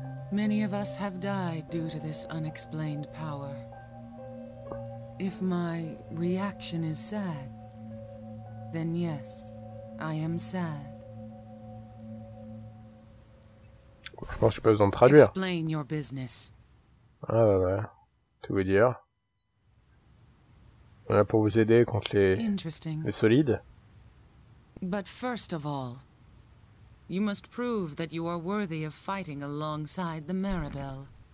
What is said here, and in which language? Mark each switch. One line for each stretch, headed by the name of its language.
English: Many of us have died due to this unexplained power. If my reaction is sad, then yes, I am sad.
French: Je pense que j'ai pas besoin de traduire.
English: Explain your business.
French: Ah bah ouais. Tout veut dire. On est là pour vous aider contre les solides.
English: But first of all, you must prove that you are worthy of fighting alongside the Maribel.